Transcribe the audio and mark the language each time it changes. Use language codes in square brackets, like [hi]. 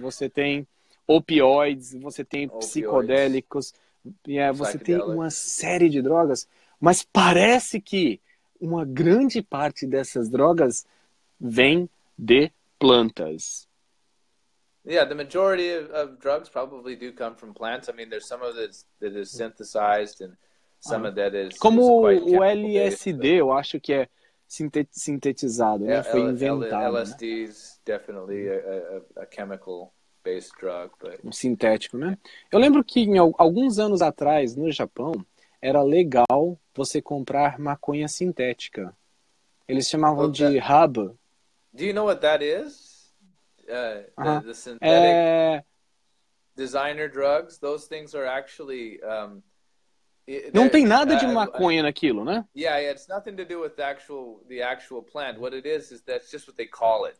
[pt] você tem opioides, você tem psicodélicos, você tem uma série de drogas, mas parece que uma grande parte dessas drogas vem de plantas. [en] Yeah, the majority of drugs probably do come from plants. I mean, there's some of it that is synthesized and some of that is [pt] como [en] is quite [pt] o LSD, eu acho que é sintetizado, [en] yeah, [pt] né? Foi inventado. [en] LSD is definitely a chemical based drug, but [pt] sintético, né? Eu lembro que em alguns anos atrás no Japão era legal você comprar maconha sintética. Eles chamavam de hub. [en] Do you know what that is? The synthetic designer drugs, those things are actually [pt] não tem nada de maconha naquilo, né? [en] Yeah, it's nothing to do with the actual plant. What it is that's just what they call it.